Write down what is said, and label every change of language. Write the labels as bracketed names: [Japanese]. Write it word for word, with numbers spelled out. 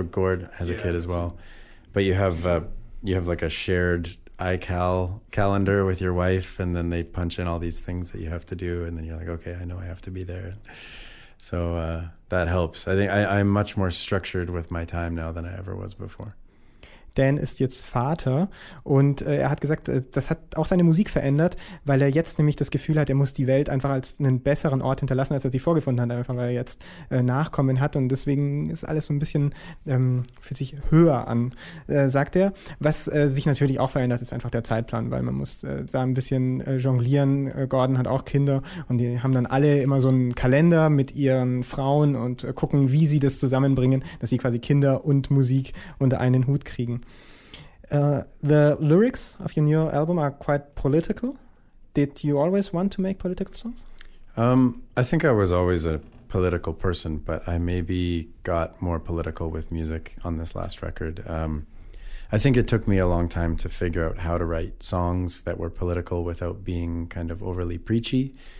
[English] Gord has yeah, a kid as well, but you have uh, you have like a shared iCal calendar with your wife, and then they punch in all these things that you have to do, and then you're like, okay, I know I have to be there. So uh, that helps. I think I, I'm much more structured with my time now than I ever was before. [German] Dan ist jetzt Vater und äh, er hat gesagt, äh, das hat auch seine Musik verändert, weil er jetzt nämlich das Gefühl hat, er muss die Welt einfach als einen besseren Ort hinterlassen, als er sie vorgefunden hat, einfach weil er jetzt äh, Nachkommen hat, und deswegen ist alles so ein bisschen, ähm, fühlt sich höher an, äh, sagt er. Was äh, sich natürlich auch verändert, ist einfach der Zeitplan, weil man muss äh, da ein bisschen äh, jonglieren. Äh, Gordon hat auch Kinder und die haben dann alle immer so einen Kalender mit ihren Frauen und äh, gucken, wie sie das zusammenbringen, dass sie quasi Kinder und Musik unter einen Hut kriegen. [English] Uh, the lyrics of your new album are quite political. Did you always want to make political songs? Um, I think I was always a political person, but I maybe got more political with music on this last record. Um, I think it took me a long time to figure out how to write songs that were political without being kind of overly preachy.